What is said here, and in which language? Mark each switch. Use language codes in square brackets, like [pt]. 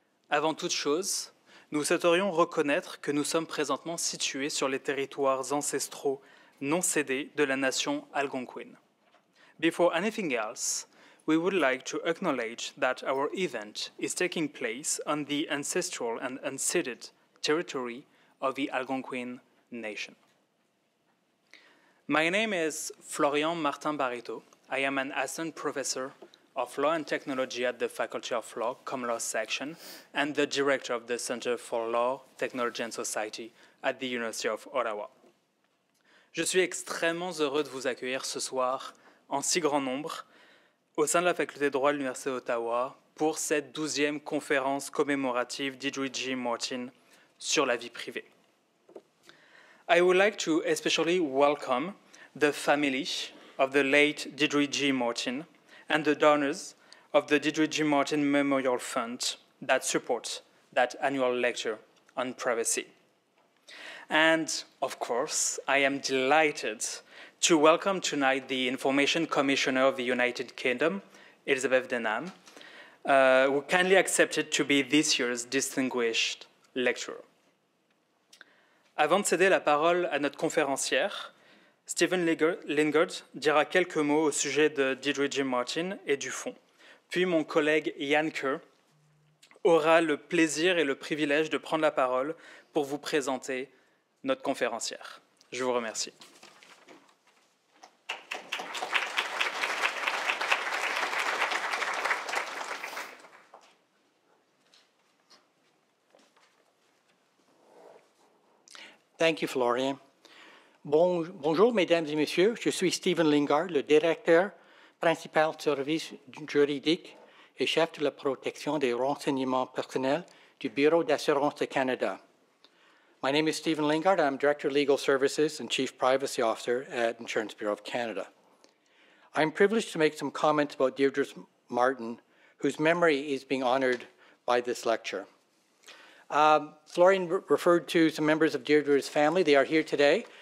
[fr] Avant toute chose, nous souhaiterions reconnaître que nous sommes présentement situés sur les territoires ancestraux non cédés de la nation algonquine. [en] Before anything else, we would like to acknowledge that our event is taking place on the ancestral and unceded territory of the Algonquin nation. My name is Florian Martin Barreto. I am an assistant professor of law and technology at the Faculty of Law, Common Law Section, and the director of the Center for Law, Technology and Society at the University of Ottawa. [fr] Je suis extrêmement heureux de vous accueillir ce soir en si grand nombre au sein de la Faculté de droit de l'Université d'Ottawa pour cette 12e conférence commémorative d'Idrey G. Martin sur la vie privée. [en] I would like to especially welcome the family of the late Deirdre G. Martin and the donors of the Deirdre G. Martin Memorial Fund that supports that annual lecture on privacy. And of course, I am delighted to welcome tonight the Information Commissioner of the United Kingdom, Elizabeth Denham, who kindly accepted to be this year's distinguished lecturer. [fr] Avant de céder la parole à notre conférencière, Stephen Lingard dira quelques mots au sujet de Deirdre G. Martin et du fond. Puis mon collègue Ian Kerr aura le plaisir et le privilège de prendre la parole pour vous présenter notre conférencière. Je vous remercie. [en] Thank you, Florian. [fr] Bonjour, mesdames et messieurs. Je suis Stephen Lingard, le directeur principal du service juridique et chef de la protection des renseignements personnels du Bureau d'assurance de Canada. [en] My name is Stephen Lingard. I'm director of legal services and chief privacy officer at Insurance Bureau of Canada. I'm privileged to make some comments about Deirdre Martin, whose memory is being honored by this lecture. Florian referred to some members of Deirdre's family. They are here today.